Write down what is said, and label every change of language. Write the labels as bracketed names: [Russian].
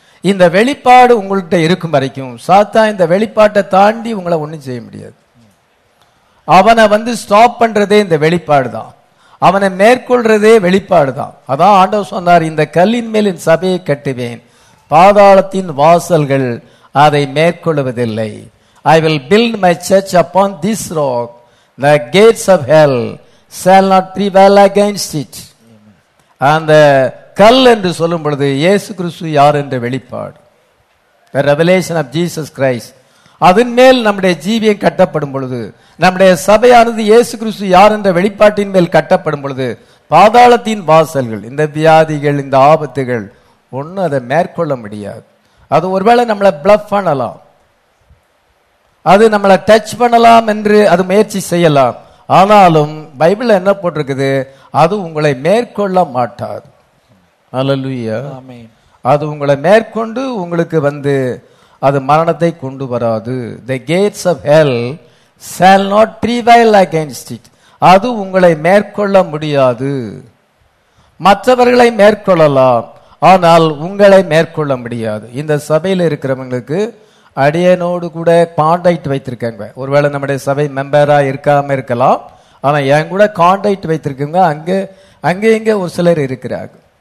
[Tamil] இந்த வெளிப்பாடு உங்கள்கிட்ட இருக்கும் வரைக்கும் சாத்தான் இந்த வெளிப்பாட்டை தாண்டி உங்களை ஒண்ணும் செய்ய முடியாது. அவனை வந்து ஸ்டாப் பண்றதே இந்த வெளிப்பாடு தான், அவனை மேற்கொள்றதே வெளிப்பாடு தான். அதான் ஆண்டவர் சொன்னார், இந்த கல்லின் மேல் என் சபையை கட்டுவேன், பாதாளத்தின் வாசல்கள் அதை மேற்கொள்வதில்லை. [English] I will build my church upon this rock. The gates of hell shall not prevail against it. [Tamil] அந்த கல் என்று சொல்லும் பொழுது இயேசு கிறிஸ்து யார் என்ற வெளிப்பாடு, [English] the revelation of Jesus Christ. [Tamil] அதன் மேல் நம்முடைய ஜீவியம் கட்டப்படும் பொழுது, நம்முடைய சபையானது இயேசு கிறிஸ்து யார் என்ற வெளிப்பாட்டின் மேல் கட்டப்படும் பொழுது, பாதாளத்தின் வாசல்கள், இந்த வியாதிகள், இந்த ஆபத்துகள் ஒன்றும் அதை மேற்கொள்ள முடியாது. அது ஒருவேளை நம்மளை பிளஃப் பண்ணலாம், அது நம்மளை டச் பண்ணலாம் என்று அது முயற்சி செய்யலாம். ஆனாலும் பைபிள் என்ன போட்டிருக்குது, அது உங்களை மேற்கொள்ள மாட்டாது. அல்லேலூயா, ஆமென். அது உங்களை மேற்கொண்டு உங்களுக்கு வந்து அது மரணத்தை கொண்டு வராது. [English] The gates of hell shall not prevail against it. [Tamil] அது உங்களை மேற்கொள்ள முடியாது. மற்றவர்களை மேற்கொள்ளலாம், ஆனால் உங்களை மேற்கொள்ள முடியாது. இந்த சபையில் இருக்கிறவங்களுக்கு அடியனோடு கூட கான்டாக்ட் வைத்திருக்காங்க. ஒருவேளை நம்முடைய சபை மெம்பராக இருக்காம இருக்கலாம், ஆனால் என் கூட கான்டாக்ட் வைத்திருக்கவங்க அங்கே இங்கே ஒரு சிலர் இருக்கிறாங்க.